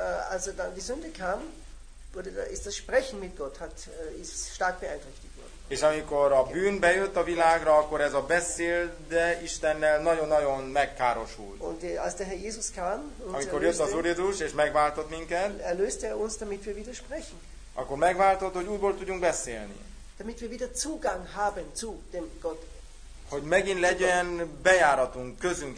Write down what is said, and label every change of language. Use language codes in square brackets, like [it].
[de] Also dann die Sünde kam, ist das Sprechen mit Gott ist stark beeinträchtigt worden. [hu] És amikor a bűn bejött a világra, akkor ez a beszél, de Istennel nagyon-nagyon megkárosult. [de] Und als der Herr Jesus kam, [hu] amikor jött az Úr Jézus, és megváltott minket, [de] erlöste er uns, damit wir wieder sprechen. [hu] Akkor megváltott, hogy újból tudjunk beszélni. [de] Damit wir wieder Zugang haben zu dem Gott. [hu] Hogy megint legyen bejáratunk, közünk